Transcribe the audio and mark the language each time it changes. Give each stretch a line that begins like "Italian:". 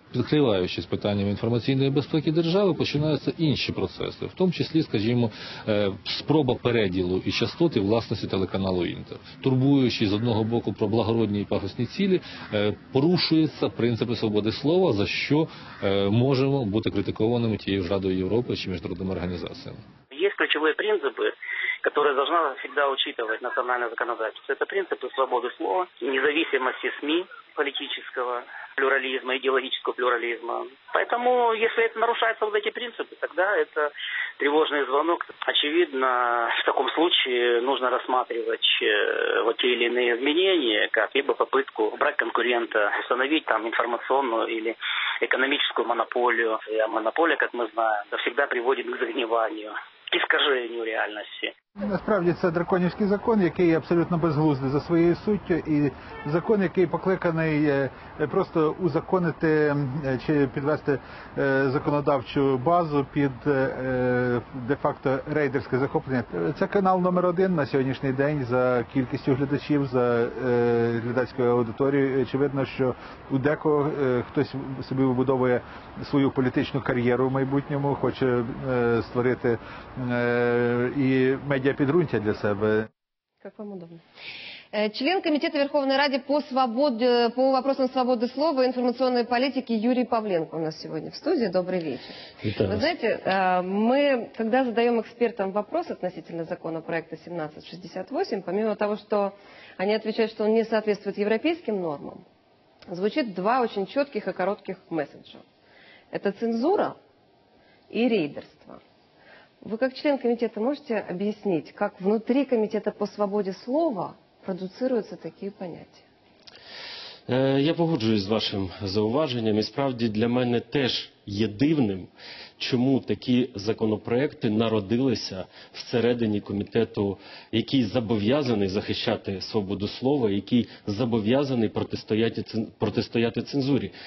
Ukrainian: Закриваючись питанням інформаційної безпеки держави, починаються інші процеси, в тому числі, скажімо, спроба переділу і частоти власності телеканалу «Інтер». Турбуючись, з одного боку, про благородні і пафосні цілі, порушуються принципи свободи слова, за що можемо бути критикованими тією ж Радою Європи чи міжнародними організаціями. Є ключові принципи,
Russian: которая должна всегда учитывать национальное законодательство. Это принципы свободы слова, независимости СМИ политического, плюрализма, идеологического плюрализма. Поэтому, если это нарушаются вот эти принципы, тогда это тревожный звонок. Очевидно, в таком случае нужно рассматривать вот те или иные изменения, как либо попытку убрать конкурента, установить там информационную или экономическую монополию. И монополия, как мы знаем, всегда приводит к загниванию.
Ukrainian: Іскаженню реальності. Насправді це драконівський закон, який абсолютно безглуздий за своєю суттю, і закон, який покликаний просто узаконити чи підвести законодавчу базу під де-факто рейдерське захоплення. Це канал номер один на сьогоднішній день за кількістю глядачів, за глядацькою аудиторією. Очевидно, що у декого хтось собі вибудовує свою політичну кар'єру в майбутньому, хоче створити і медіапідґрунтя для себе. Як вам удобно. Член комітету Верховної Ради
Russian: по вопросам
Ukrainian: свободи слова і інформаційної політики Юрій Павленко у нас сьогодні в студії. Добрий вечір. Вітаю. Ви знаєте, ми, коли задаємо експертам
Russian: вопрос относительно
Ukrainian: законопроекту 1768,
Russian: помимо того,
Ukrainian: що вони відповідають, що він не відповідає європейським нормам, звучить два дуже чітких і коротких меседжа. Це цензура і рейдерство.
Russian: Вы как член комитета можете объяснить, как внутри комитета по свободе слова продуцируются такие понятия?
Ukrainian: Я погоджуюсь з вашим зауваженням, і справді для мене теж є дивним, чому такі законопроекти народилися всередині комітету, який зобов'язаний захищати свободу слова, який зобов'язаний протистояти цензурі.